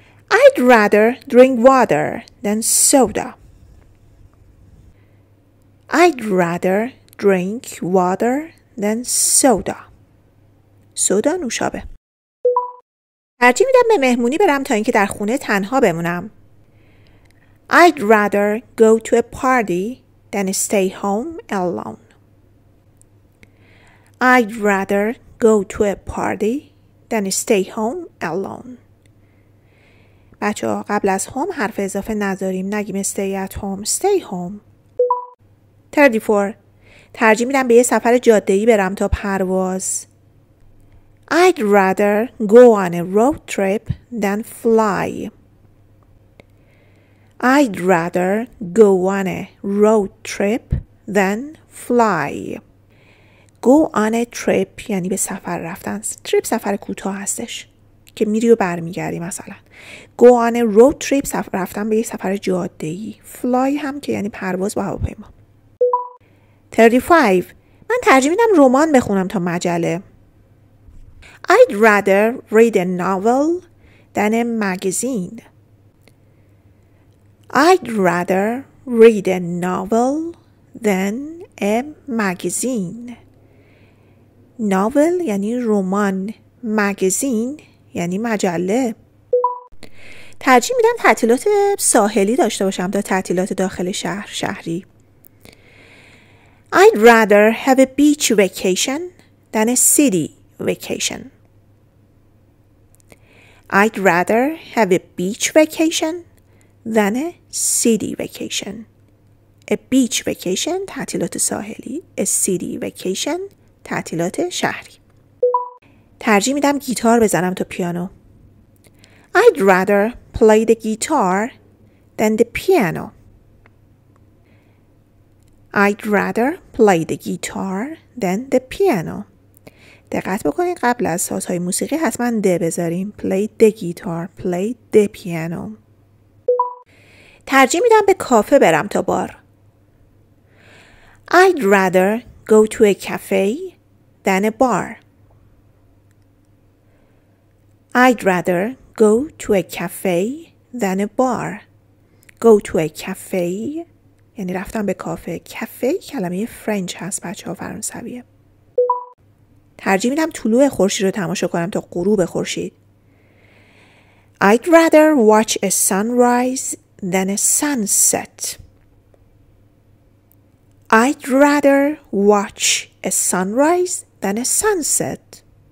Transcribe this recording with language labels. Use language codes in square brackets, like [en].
[en] I'd rather drink water than soda. I'd rather drink water than soda. Soda نوشابه. [fa] ترجیح میدم به مهمونی برم تا اینکه در خونه تنها بمونم. [en] I'd rather go to a party than stay home alone. I'd rather go to a party than stay home alone. [fa] بچه ها قبل از هوم حرف اضافه نذاریم. نگیم [en] stay at home. Stay home. 34. [fa] ترجیح میدم به یه سفر جاده‌ای برم تا پرواز. [en] I'd rather go on a road trip than fly. I'd rather go on a road trip than fly. go on a trip [fa] یعنی به سفر رفتن. trip سفر کوتاه هستش که میری و برمیگردی. مثلا [en] go on a road trip [fa] سفر رفتن به یه سفر جاده‌ای. fly هم که یعنی پرواز با هواپیما. 35 من ترجیح میدم رمان بخونم تا مجله. [en] I'd rather read a novel than a magazine. I'd rather read a novel than a magazine. [fa] Novel یعنی رمان، magazine یعنی مجله. ترجیح میدم تعطیلات ساحلی داشته باشم تا تعطیلات داخل شهر شهری. [en] I'd rather have a beach vacation than a city vacation. I'd rather have a beach vacation than a city vacation. A beach vacation [fa] تعطیلات ساحلی. [en] A city vacation [fa] تعطیلات شهری. ترجیح میدم گیتار بزنم تو پیانو. [en] I'd rather play the guitar than the piano. I'd rather play the guitar than the piano. [fa] دقت بکنید قبل از سازهای موسیقی حتما ده بذاریم. [en] Play the guitar. Play the piano. [fa] ترجیح میدم به کافه برم تا بار. [en] I'd rather go to a cafe than a bar. I'd rather go to a cafe than a bar. Go to a cafe [fa] یعنی رفتم به کافه. کافه کلمه فرنچ هست بچه ها فرانسویه. ترجیح میدم طلوع خورشید رو تماشا کنم تا غروب خورشید. [en] I'd rather watch a sunrise than a sunset. I'd rather watch a sunrise than a sunset.